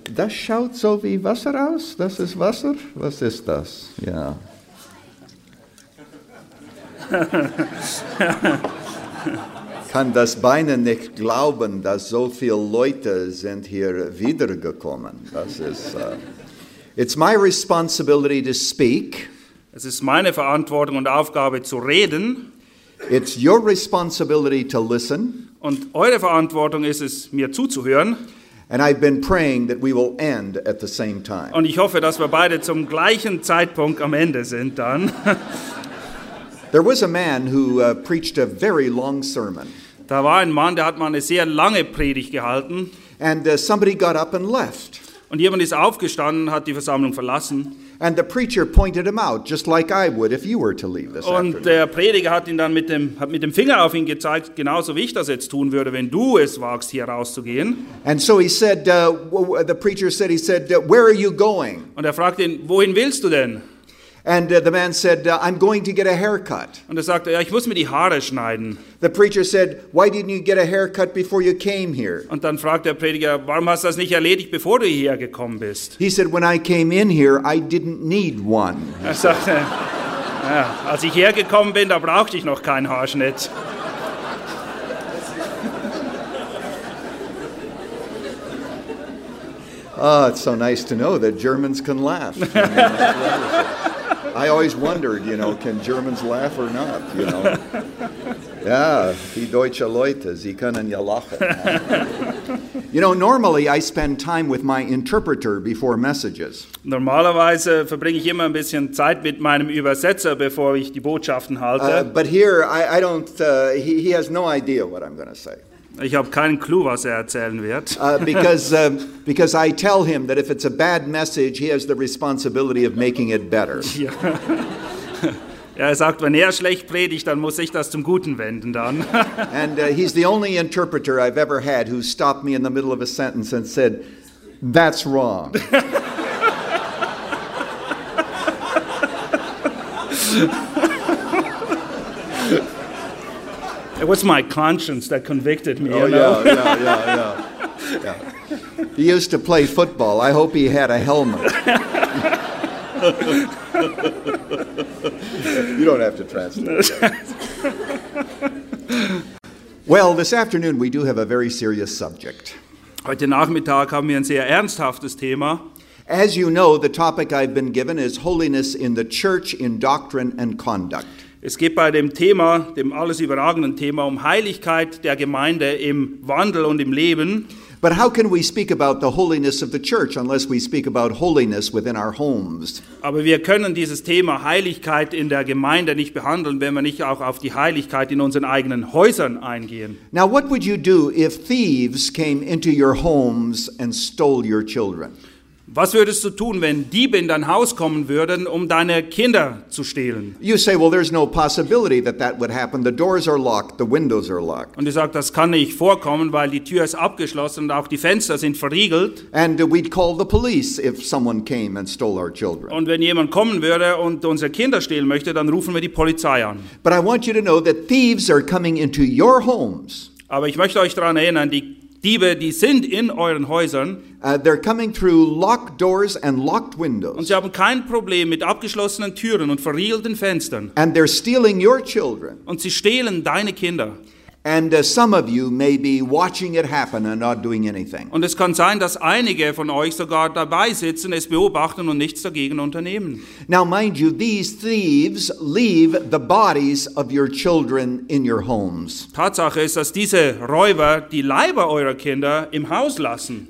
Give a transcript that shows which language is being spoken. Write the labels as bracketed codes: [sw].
[de] Das schaut so wie Wasser aus. Das ist Wasser. Was ist das? Ja. Kann das Beine nicht glauben, dass so viele Leute sind hier wiedergekommen. Das ist, [en] it's my responsibility to speak. [de] Es ist meine Verantwortung und Aufgabe zu reden. [en] It's your responsibility to listen. [de] Und eure Verantwortung ist es, mir zuzuhören. [en] And I've been praying that we will end at the same time. [de] Und ich hoffe, dass wir beide zum gleichen Zeitpunkt am Ende sind dann. [en] There was a man who preached a very long sermon. [de] Da war ein Mann, der hat mal eine sehr lange Predigt gehalten. [en] And somebody got up and left. [de] Und jemand ist aufgestanden, hat die Versammlung verlassen. [en] And the preacher pointed him out, just like I would if you were to leave this afternoon. [de] Und der Prediger hat ihn dann mit dem Finger auf ihn gezeigt, genauso wie ich das jetzt tun würde, wenn du es wagst, hier rauszugehen. [en] And so he said, the preacher said, he said, where are you going? [de] Und er fragte ihn, wohin willst du denn? [en] And the man said, I'm going to get a haircut. [de] Und er sagte, ja, ich muss mir die Haare schneiden. [en] The preacher said, why didn't you get a haircut before you came here? [de] Und dann fragt der Prediger, warum hast du das nicht erledigt, bevor du hierher gekommen bist? [en] He said, when I came in here, I didn't need one. [de] Er sagte, ja, als ich hergekommen bin, da brauchte ich noch keinen Haarschnitt. [en] Oh, it's so nice to know that Germans can laugh. I always wondered, you know, can Germans laugh or not, you know? [de] Yeah, die deutsche Leute, sie können ja lachen. [en] You know, normally I spend time with my interpreter before messages. [de] Normalerweise verbringe ich immer ein bisschen Zeit mit meinem Übersetzer, bevor ich die Botschaften halte. [en] But here, I don't, he has no idea what I'm going to say. [de] Ich habe keinen Clou, was er erzählen wird. [en] Because I tell him that if it's a bad message, he has the responsibility of making it better. [de] Ja. Er sagt, wenn er schlecht predigt, dann muss ich das zum Guten wenden dann. [en] And he's the only interpreter I've ever had who stopped me in the middle of a sentence and said, that's wrong. It was my conscience that convicted me. Oh, you know? Yeah. He used to play football. I hope he had a helmet. You don't have to translate. Well, this afternoon we do have a very serious subject. [de] Heute Nachmittag haben wir ein sehr ernsthaftes Thema. [en] As you know, the topic I've been given is holiness in the church, in doctrine and conduct. [de] Es geht bei dem Thema, dem alles überragenden Thema, um Heiligkeit der Gemeinde im Wandel und im Leben. [en] But how can we speak about the holiness of the church unless we speak about holiness within our homes? [de] Aber wir können dieses Thema Heiligkeit in der Gemeinde nicht behandeln, wenn wir nicht auch auf die Heiligkeit in unseren eigenen Häusern eingehen. [en] Now what would you do if thieves came into your homes and stole your children? [de] Was würdest du tun, wenn Diebe in dein Haus kommen würden, um deine Kinder zu stehlen? [en] You say, well, there's no possibility that that would happen. The doors are locked, the windows are locked. [de] Und ich sag, das kann nicht vorkommen, weil die Tür ist abgeschlossen und auch die Fenster sind verriegelt. [en] And we'd call the police if someone came and stole our children. [de] Und wenn jemand kommen würde und unsere Kinder stehlen möchte, dann rufen wir die Polizei an. [en] But I want you to know that thieves are coming into your homes. [de] Aber ich möchte euch daran erinnern, die Diebe, die sind in euren Häusern. [en] They're coming through locked doors and locked windows. [de] Und sie haben kein Problem mit abgeschlossenen Türen und verriegelten Fenstern. [en] And they're stealing your children. [de] Und sie stehlen deine Kinder. [en] And some of you may be watching it happen and not doing anything. [de] Und es kann sein, dass einige von euch sogar dabei sitzen, es beobachten und nichts dagegen unternehmen. [en] Now mind you, these thieves leave the bodies of your children in your homes. [de] Tatsache ist, dass diese Räuber die Leiber eurer Kinder im Haus lassen.